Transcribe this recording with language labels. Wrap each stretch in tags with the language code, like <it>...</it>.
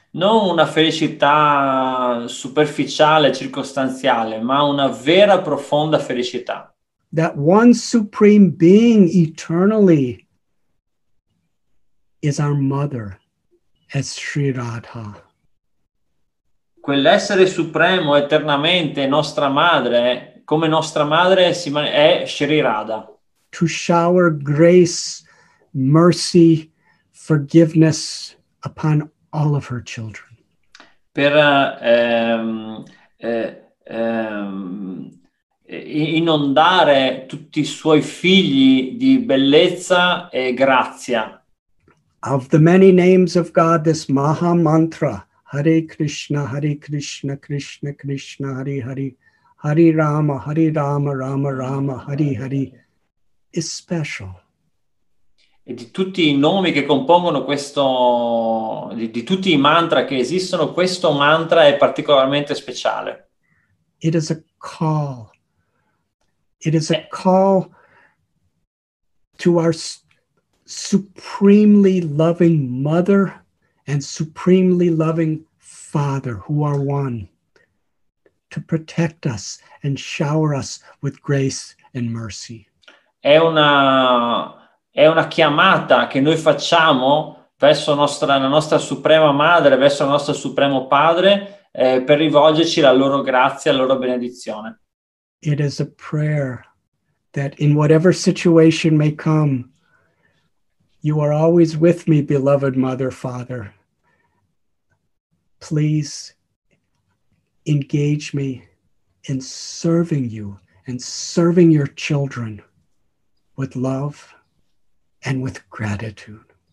<it>Non una felicità superficiale, circostanziale, ma una vera, profonda felicità.</it> <en>That one supreme being eternally is our mother, as Sri Radha.</en> <it>Quell'essere supremo eternamente nostra madre, come nostra madre è Sri Radha.</it> <en>To shower grace, mercy, forgiveness upon all of her children.</en> <it>Per inondare tutti i suoi figli di bellezza e grazia.</it> <en>Of the many names of God, this Maha Mantra, Hare Krishna, Krishna Krishna, Hari Hari, Hari Rama, Rama Rama, Hari Hari, is special.</en> <it>E di tutti i nomi che compongono questo, di tutti i mantra che esistono, questo mantra è particolarmente speciale.</it> <en>It is a call. It is a call to our supremely loving mother and supremely loving father, who are one, to protect us and shower us with grace and mercy.</en> <it>È una chiamata che noi facciamo verso la nostra suprema madre, verso il nostro supremo padre, per rivolgerci la loro grazia, la loro benedizione.</it> <en>It is a prayer that in whatever situation may come, you are always with me, beloved mother, father. Please engage me in serving you and serving your children with love and with gratitude.</en>